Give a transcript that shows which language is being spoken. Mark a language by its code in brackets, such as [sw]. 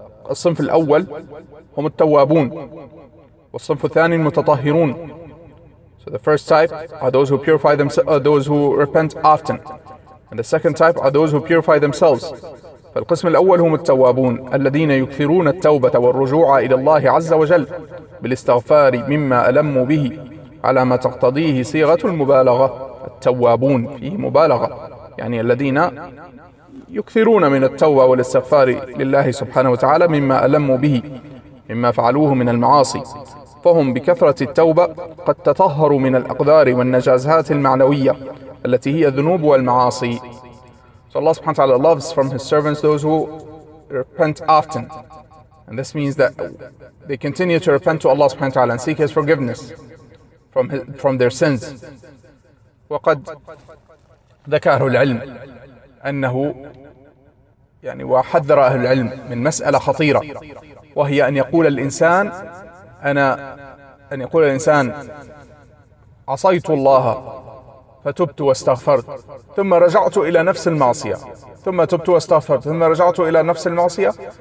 [ar] الصنف الأول هم التوابون والصنف الثاني المتطهرون. [en] So the first type are those who purify themselves, those who repent often, and the second type are those who purify themselves. [ar] فالقسم الأول هم التوابون الذين يكثرون التوبة والرجوع إلى الله عز وجل بالاستغفار مما ألموا به على ما تقتضيه صيغة المبالغة. التوابون فيه مبالغة يعني الذين يكثرون من التوبة والاستغفار لله سبحانه وتعالى مما ألموا به مما فعلوه من المعاصي، فهم بكثرة التوبة قد تطهروا من الأقدار والنجازات المعنوية التي هي الذنوب والمعاصي. [en] So Allah subhanahu wa ta'ala loves from His servants those who repent often. And this means that they continue to repent to Allah subhanahu wa ta'ala and seek His forgiveness from their sins. [ar] وقد ذكر العلم أنه يعني وحذر أهل العلم من مسألة خطيرة وهي أن يقول الإنسان عصيت الله فتبت واستغفرت ثم رجعت إلى نفس المعصية ثم تبت واستغفرت ثم رجعت إلى نفس المعصية.